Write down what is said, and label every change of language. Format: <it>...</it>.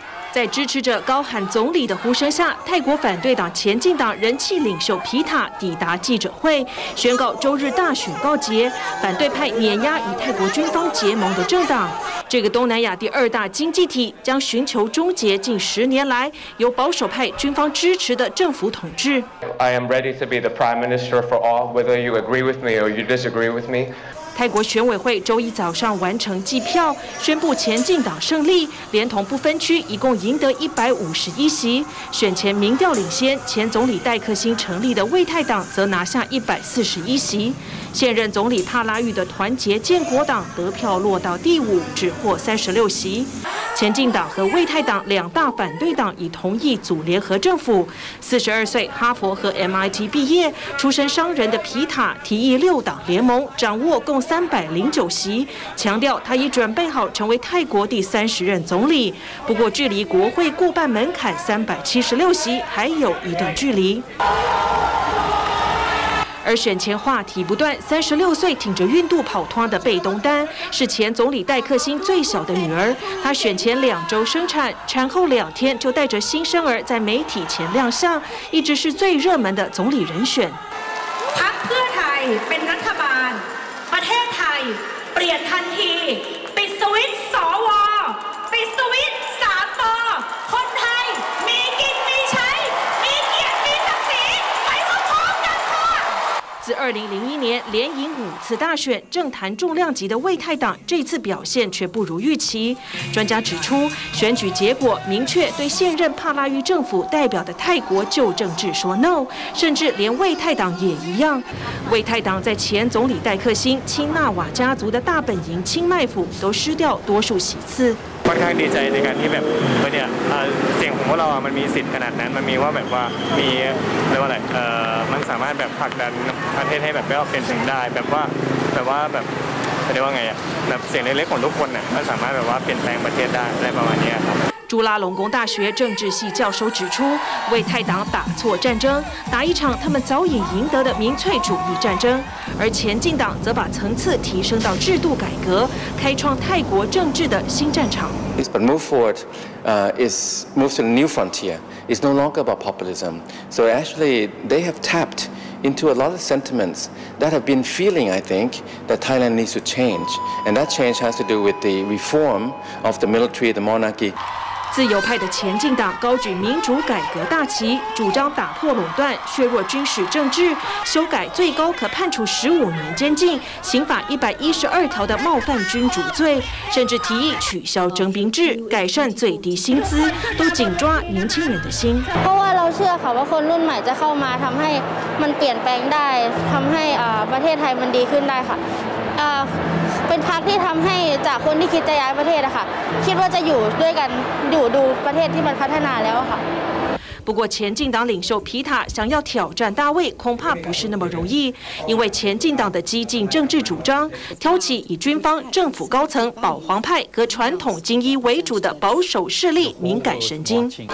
<zh>在支持者高喊总理的呼声下，泰国反对党前进党人气领袖皮塔抵达记者会，宣告周日大选告捷，反对派碾压与泰国军方结盟的政党。这个东南亚第二大经济体将寻求终结近10年来由保守派军方支持的政府统治。</zh> <en>I am ready to be the prime minister for all, whether you agree with me or you disagree with me.</en> <zh>泰国选委会周一早上完成计票，宣布前进党胜利，连同不分区一共赢得151席。选前民调领先，前总理戴克星成立的卫泰党则拿下141席。现任总理帕拉育的团结建国党得票落到第5，只获36席。前进党和卫泰党两大反对党已同意组联合政府。 42岁、哈佛和 MIT 毕业、出身商人的皮塔提议6党联盟，掌握共309席，强调他已准备好成为泰国第30任总理。不过，距离国会过半门槛376席还有一段距离。而选前话题不断，36岁挺着孕肚跑脱的贝东丹是前总理戴克星最小的女儿，她选前2周生产，产后2天就带着新生儿在媒体前亮相，一直是最热门的总理人选。</zh> <th>พรรคเพื่อไทยเป็นรัฐบาลประเทศไทยเปลี่ยนทันทีปิดสวิตช์สวปิดสวิตช์สามปอคนไทยมีกินมีใช้</th> <zh>自2001年连赢5次大选，政坛重量级的卫泰党这次表现却不如预期。专家指出，选举结果明确对现任帕拉育政府代表的泰国旧政治说 no， 甚至连卫泰党也一样。卫泰党在前总理戴克星、清纳瓦家族的大本营清迈府都失掉多数席次。</zh> <th>ค่อนข้างดีใจในการที่แบบเนี่ยเสียงของพวกเราอ่ะมันมีสิทธิ์ขนาดนั้นมันมีว่าแบบว่ามีเรียกว่าอะไรมันสามารถแบบผลักดันประเทศให้แบบไปออกเป็นถึงได้แบบว่าแบบเรียกว่าไงอ่ะแบบเสียงเล็กๆของทุกคนเนี่ยมันสามารถแบบว่าเปลี่ยนแปลงประเทศได้อะไรประมาณนี้ครับ</th> <zh>朱拉隆功大学政治系教授指出，卫泰党打错战争，打一场他们早已赢得的民粹主义战争，而前进党则把层次提升到制度改革，开创泰国政治的新战场。</zh> <en>But move forward, is move to a new frontier. It's no longer about populism. So actually, they have tapped into a lot of sentiments that have been feeling, I think, that Thailand needs to change, and that change has to do with the reform of the military, the monarchy.</en> <zh>自由派的前进党高举民主改革大旗，主张打破垄断，削弱军事政治，修改最高可判处15年监禁、刑法112条的冒犯君主罪，甚至提议取消征兵制，改善最低薪资，都紧抓年轻人的心。</zh> <th>เพราะว่าเราเชื่อค่ะว่าคนรุ่นใหม่จะเข้ามาทำให้มันเปลี่ยนแปลงได้ทำให้ประเทศไทยมันดีขึ้นได้ค่ะเป็นพรรคที่ทำให้จากคนที่คิดจะย้ายประเทศนะคะคิดว่าจะอยู่ด้วยกันอยู่ดูประเทศที่มันพัฒนาแล้วค่ะ</th> <zh>不过前进党领袖皮塔想要挑战大卫恐怕不是那么容易，因为前进党的激进政治主张挑起以军方、政府高层、保皇派和传统精英为主的保守势力敏感神经。</zh>